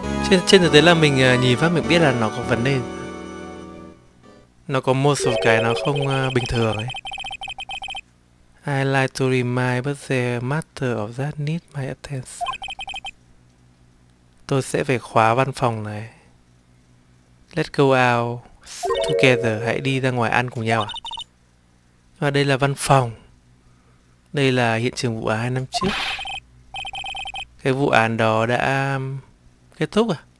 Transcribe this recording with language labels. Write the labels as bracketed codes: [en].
[vi] Trên thực tế là mình nhìn phát mình biết là nó có vấn đề, nó có một số cái nó không bình thường ấy. [en] I like to remind but the matter of that needs my attention. [vi] Tôi sẽ phải khóa văn phòng này. [en] Let's go out together. [vi] Hãy đi ra ngoài ăn cùng nhau à? Và đây là văn phòng. Đây là hiện trường vụ án 2 năm trước. Cái vụ án đó đã kết thúc à?